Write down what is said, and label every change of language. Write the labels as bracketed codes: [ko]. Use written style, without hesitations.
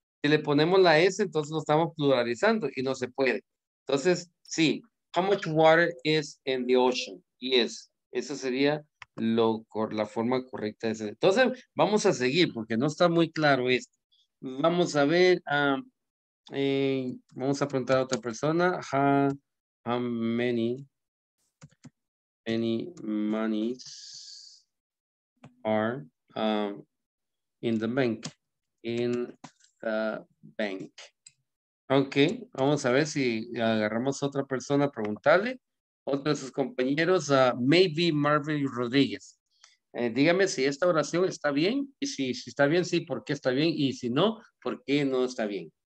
[es] Si le ponemos la S, entonces lo estamos pluralizando y no se puede. Entonces, sí. [en] How much water is in the ocean? Yes. [es] Esa sería lo, la forma correcta. De ser. Entonces, vamos a seguir porque no está muy claro esto. Vamos a ver. Vamos a preguntar a otra persona. [en] How many, many monies are in the bank? In the bank. [es] Ok, vamos a ver si agarramos a otra persona a preguntarle. Otro de sus compañeros, maybe Marvin Rodríguez. Dígame si esta oración está bien. Y si, si está bien, sí, ¿por qué está bien? Y si no, ¿por qué no está bien?